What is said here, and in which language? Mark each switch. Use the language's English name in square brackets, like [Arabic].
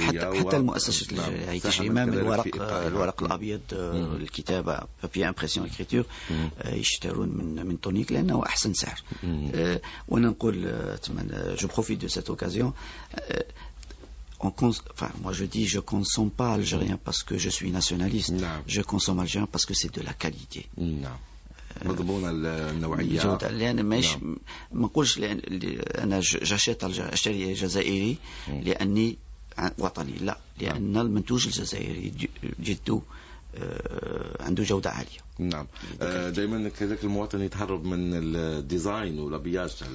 [Arabic] حتى المؤسسه الجزائريه هي امام الورق الابيض، الكتابه بابي امبرسيون اكريتور، يشترون من تونيك لانه احسن سعر. وانا نقول اتمنى [French] جو بروفيت دو سيت اوكازيون enfin moi je dis je consomme pas algérien parce que je suis nationaliste. Je consomme algérien parce que c'est de la qualité. [Arabic] مضمون النوعية، لأن مش ما نقولش لأن أنا أشتري جزائري لأني وطني، لا، لأن المنتوج الجزائري جدو عنده جودة عالية. نعم. دائما كذلك المواطن يتهرب من الديزاين والأبياج.